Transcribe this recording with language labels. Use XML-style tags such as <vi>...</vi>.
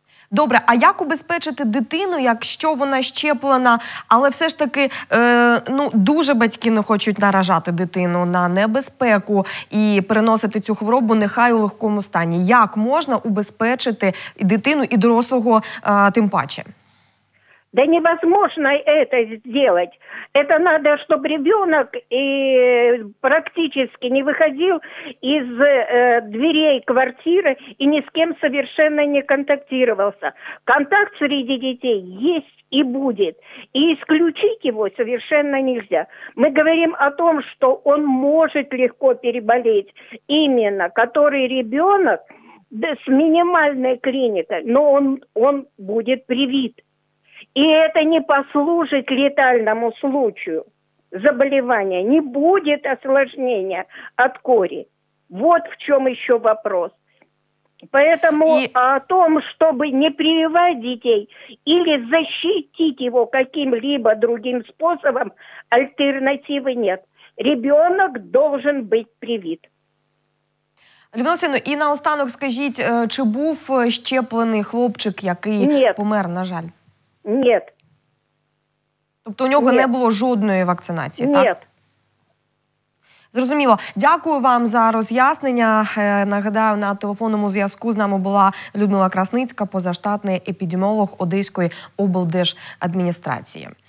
<uk>Добре, а як убезпечити дитину, якщо вона щеплена, але все ж таки дуже батьки не хочуть наражати дитину на небезпеку і переносити цю хворобу нехай у легкому стані? Як можна убезпечити дитину і дорослого тим паче?</uk> <ru>Да невозможно это сделать. Это надо, чтобы ребенок практически не выходил из дверей квартиры и ни с кем совершенно не контактировался. Контакт среди детей есть и будет. И исключить его совершенно нельзя. Мы говорим о том, что он может легко переболеть. Именно который ребенок с минимальной клиникой, но он будет привит. И это не послужит летальному случаю заболевания, не будет осложнения от кори. Вот в чем еще вопрос. Поэтому о том, чтобы не прививать детей или защитить его каким-либо другим способом, альтернативы нет. Ребенок должен быть привит.</ru> <uk>Людмила Сіно, і наостанок скажіть, чи був щеплений хлопчик, який помер, на жаль?</uk> <ru>Нет.</ru> <uk>Тобто у нього не було жодної вакцинації, так?</uk> <ru>Нет.</ru> <uk>Зрозуміло. Дякую вам за роз'яснення. Нагадаю, на телефонному зв'язку з нами була Людмила Красницька, позаштатний епідеміолог Одеської облдержадміністрації.</uk>